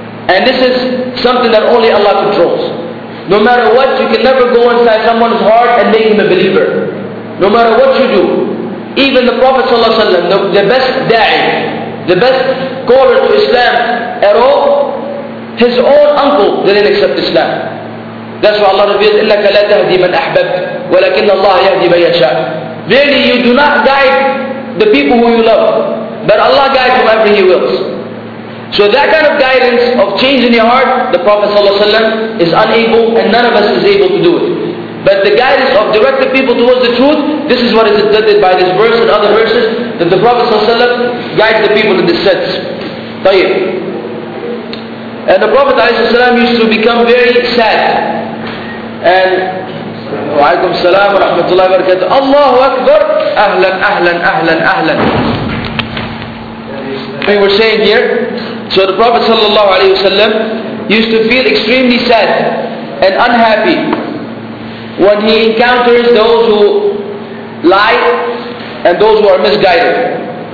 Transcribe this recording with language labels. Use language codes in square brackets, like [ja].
[en] And this is something that only Allah controls. No matter what, you can never go inside someone's heart and make him a believer. No matter what you do. Even the Prophet ﷺ, the best da'i, the best caller to Islam at all, his own uncle didn't accept Islam. That's why Allah reveals, [ar] إِنَّكَ لَا تَهْدِي مَنْ أَحْبَبْتِ وَلَكِنَّ اللَّهَ يَهْدِي مَنْ يَشَاءُ. [en] Really, you do not guide the people who you love, but Allah guides whoever He wills. So that kind of guidance of change in your heart, the Prophet ﷺ is unable, and none of us is able to do it. But the guidance of directing people towards the truth, this is what is intended by this verse and other verses, that the Prophet ﷺ guides the people in this sense. [ar] طيب. [en] And the Prophet ﷺ used to become very sad. And [ar] وعليكم السلام ورحمة الله وبركاته. الله أكبر. أهلا أهلا أهلا أهلا. [en] We were saying here, so the Prophet ﷺ used to feel extremely sad and unhappy when he encounters those who lie and those who are misguided.